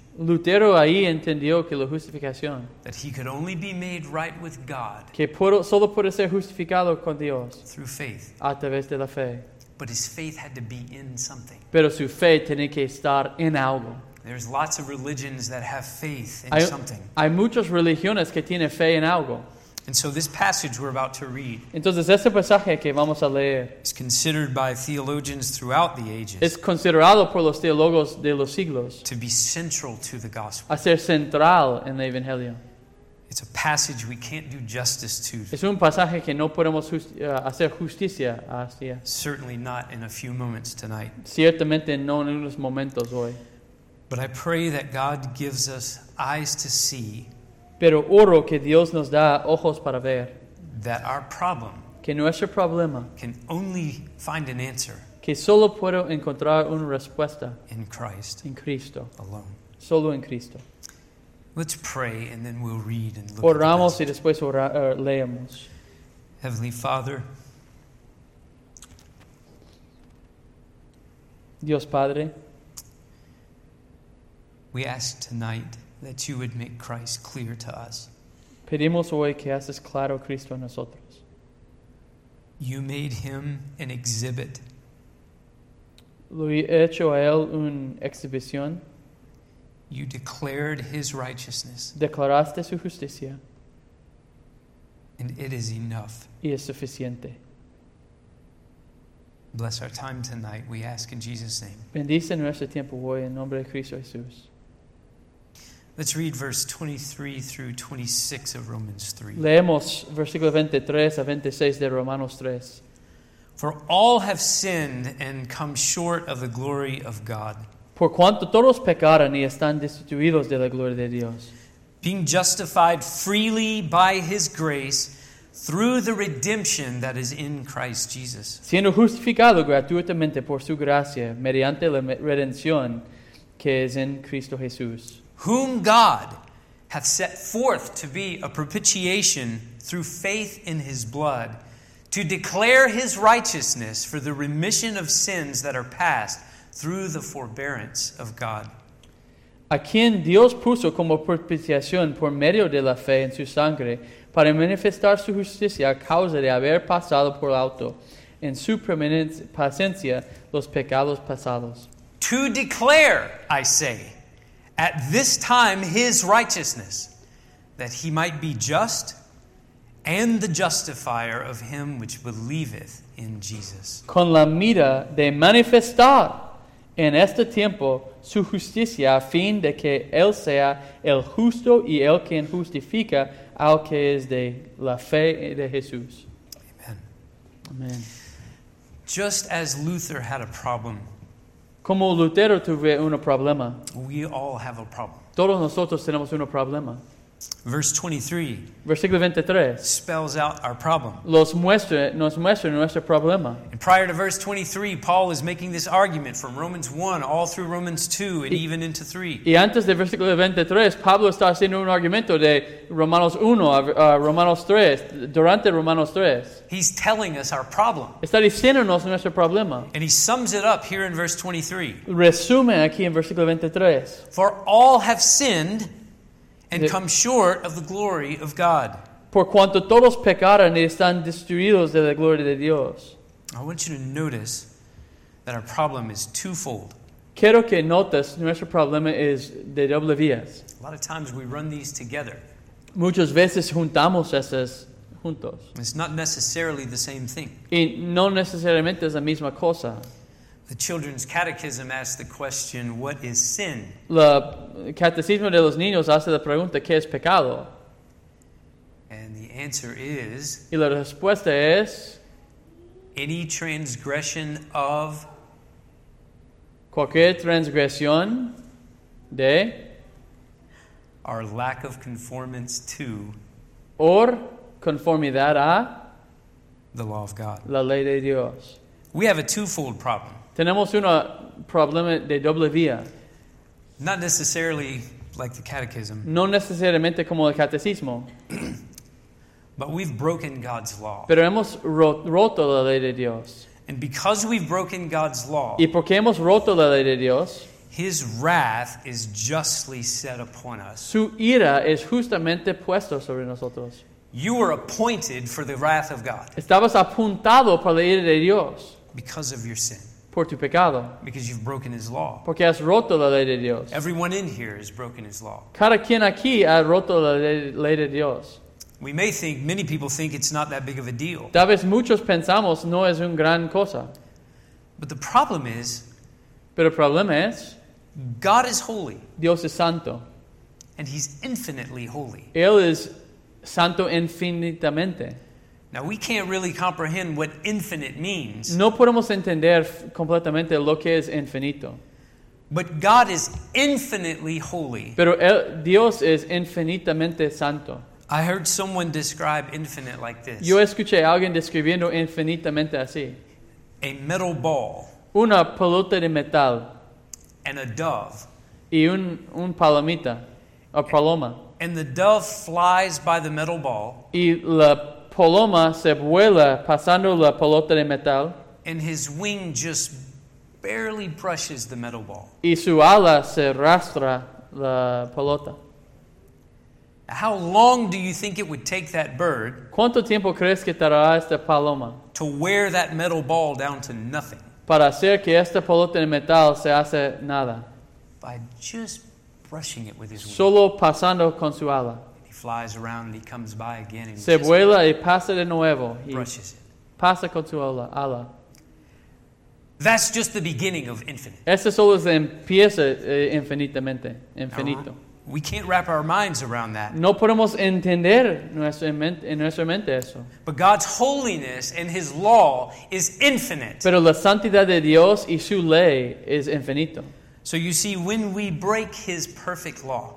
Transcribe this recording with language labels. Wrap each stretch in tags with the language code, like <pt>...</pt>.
<es>Lutero ahí entendió que la justificación.</es> <en>That he could only be made right with God.</en> <es>Que solo puede ser justificado con Dios.</es> <en>Through faith.</en> <es>A través de la fe.</es> <en>But his faith had to be in something.</en> <es>Pero su fe tenía que estar en algo.</es> <en>There's lots of religions that have faith in something.</en> <es>Hay muchas religiones que tienen fe en algo.</es> <en>And so this passage we're about to read.</en> <es>Entonces este pasaje que vamos a leer</es> <en>is considered by theologians throughout the ages.</en> <es>Es considerado por los teólogos de los siglos</es> <en>to be central to the gospel.</en> <es>A ser central en el evangelio.</es> <en>It's a passage we can't do justice to.</en> <es>Es un pasaje que no podemos hacer justicia hacia.</es> <en>Certainly not in a few moments tonight.</en> <es>Ciertamente no en unos momentos hoy.</es> <en>But I pray that God gives us eyes to see.</en> <es>Pero oro que Dios nos da ojos para ver.</es> <en>That our problem.</en> <es>Que nuestro problema.</es> <en>Can only find an answer.</en> <es>Que solo puedo encontrar una respuesta.</es> <en>In Christ.</en> <es>En Cristo.</es> <en>Alone.</en> <es>Solo en Cristo.</es> <en>Let's pray and then we'll read and look.</en> <es>Oramos y después leemos.</es> <en>Heavenly Father.</en> <es>Dios Padre.</es> <en>We ask tonight that you would make Christ clear to us.</en> <es>Pedimos hoy que haces claro Cristo a nosotros.</es> <en>You made him an exhibit.</en> <es>Lo he hecho a él un exhibición.</es> <en>You declared his righteousness.</en> <es>Declaraste su justicia.</es> <en>And it is enough.</en> <es>Y es suficiente.</es> <en>Bless our time tonight, we ask in Jesus' name.</en> <es>Bendice nuestro tiempo hoy en nombre de Cristo Jesús.</es> <en>Let's read verse 23 through 26 of Romans 3.</en> <es>Leemos versículo 23 a 26 de Romanos 3.</es> <en>For all have sinned and come short of the glory of God.</en> <es>Por cuanto todos pecaron y están destituidos de la gloria de Dios.</es> <en>Being justified freely by his grace through the redemption that is in Christ Jesus.</en> <es>Siendo justificado gratuitamente por su gracia mediante la redención que es en Cristo Jesús.</es> <en>Whom God hath set forth to be a propitiation through faith in his blood to declare his righteousness for the remission of sins that are past through the forbearance of God.</en> <es>A quien Dios puso como propiciación por medio de la fe en su sangre para manifestar su justicia a causa de haber pasado por alto en su paciencia los pecados pasados.</es> <en>To declare, I say, at this time his righteousness, that he might be just and the justifier of him which believeth in Jesus.</en> <es>Con la mira de manifestar en este tiempo su justicia a fin de que él sea el justo y el quien justifica al que es de la fe de Jesús.</es> <en>Amen.</en> <es>Amen.</es> <en>Just as Luther had a problem.</en> <es>Como Lutero tuve un problema.</es> <en>We all have a problem.</en> <es>Todos nosotros tenemos un problema.</es> <en>Verse 23 spells out our problem.</en> <es>Nos muestra nuestro problema.</es> <en>And prior to verse 23, Paul is making this argument from Romans 1 all through Romans 2 and even into 3.</en> <es>Y antes de versículo 23, Pablo está haciendo un argumento de Romanos 1 a Romanos 3, durante Romanos 3.</es> <en>He's telling us our problem.</en> <es>Está diciéndonos nuestro problema.</es> <en>And he sums it up here in verse 23.</en> <es>Resume aquí en versículo 23.</es> <en>For all have sinned and come short of the glory of God.</en> <es>Por cuanto todos pecaron y están destruidos de la gloria de Dios.</es> <en>I want you to notice that our problem is twofold.</en> <es>Quiero que notes nuestro problema es de doble vías.</es> <en>A lot of times we run these together.</en> <es>Muchas veces juntamos esas juntos.</es> <en>It's not necessarily the same thing.</en> <es>Y no necesariamente es la misma cosa.</es> <en>The Children's Catechism asks the question, what is sin?</en> <es>La Catecismo de los Niños hace la pregunta, ¿qué es pecado?</es> <en>And the answer is,</en> <es>y la respuesta es,</es> <en>any transgression of,</en> <es>cualquier transgresión de,</es> <en>our lack of conformance to,</en> <es>or conformidad a,</es> <en>the law of God.</en> <es>La ley de Dios.</es> <en>We have a twofold problem.</en> <es>Tenemos un problema de doble vía.</es> <en>Not necessarily like the catechism.</en> <es>No necesariamente como el catecismo.</es> <en>But we've broken God's law.</en> <es>Pero hemos roto la ley de Dios.</es> <en>And because we've broken God's law.</en> <es>Y porque hemos roto la ley de Dios.</es> <en>His wrath is justly set upon us.</en> <es>Su ira es justamente puesto sobre nosotros.</es> <en>You were appointed for the wrath of God.</en> <es>Estabas apuntado para la ira de Dios.</es> <en>Because of your sin.</en> <es>Por tu pecado.</es> <en>Because you've broken his law.</en> <es>Porque has roto la ley de Dios.</es> <en>Everyone in here has broken his law.</en> <es>Cada quien aquí ha roto la ley de Dios.</es> <en>We may think, many people think it's not that big of a deal.</en> <es>Tal vez muchos pensamos no es un gran cosa.</es> <en>But the problem is,</en> <es>pero el problema es,</es> <en>God is holy.</en> <es>Dios es santo.</es> <en>And he's infinitely holy.</en> <es>Él es santo infinitamente.</es> <en>Now we can't really comprehend what infinite means.</en> <es>No podemos entender completamente lo que es infinito.</es> <en>But God is infinitely holy.</en> <es>Pero Dios es infinitamente santo.</es> <en>I heard someone describe infinite like this.</en> <es>Yo escuché a alguien describiendo infinitamente así.</es> <en>A metal ball.</en> <es>Una pelota de metal.</es> <en>And a dove.</en> <es>Y un palomita, a paloma.</es> <en>And the dove flies by the metal ball.</en> <es>Y la paloma se vuela pasando la pelota de metal.</es> <en>And his wing just barely brushes the metal ball.</en> <es>Y su ala se arrastra la pelota.</es> <en>How long do you think it would take that bird?</en> <es>¿Cuánto tiempo crees que tardará esta paloma?</es> <en>To wear that metal ball down to nothing.</en> <es>Para hacer que esta pelota de metal se hace nada.</es> <en>By just brushing it with his wing.</en> <es>Solo pasando con su ala.</es> <en>Flies around and he comes by again. And</en> <es>se vuela y pasa de nuevo.</es> <en>He brushes it.</en> <es>Pasa con tu ala.</es> <en>That's just the beginning of infinite.</en> <es>Eso solo es empieza infinitamente. Infinito.</es> <en>We can't wrap our minds around that.</en> <es>No podemos entender en nuestra mente eso.</es> <en>But God's holiness and his law is infinite.</en> <es>Pero la santidad de Dios y su ley es infinito.</es> <en>So you see, when we break his perfect law.</en>